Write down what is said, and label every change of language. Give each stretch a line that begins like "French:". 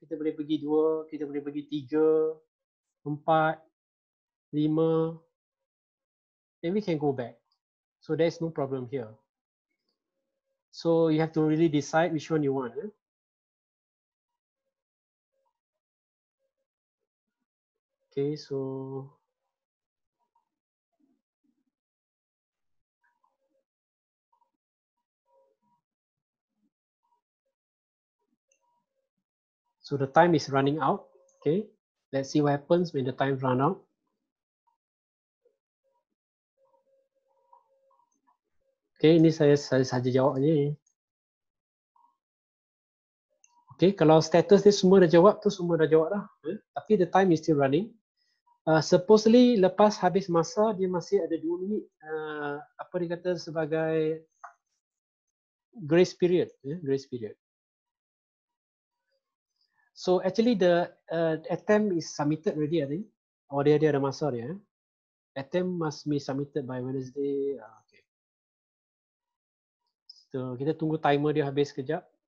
Malay: Kita boleh pergi 2, kita boleh pergi 3, 4, 5.
English: Then we can go back. So there's no problem here. So you have to really decide which one you want. Eh? Okay, so. So the time is running out. Okay, let's see what happens when the time runs out.
Malay: Okay, ini saya sahaja jawab je. Okay, kalau status ni semua dah jawab tu, semua dah jawab dah. Tapi the time is still running. Supposedly lepas habis masa, dia masih ada 2 minit. Apa dia kata sebagai grace period.
English: Grace period. So actually the attempt is submitted already, I think. Or dia ada masa dia. Attempt must be submitted by Wednesday.
Malay: So kita tunggu timer dia habis kejap.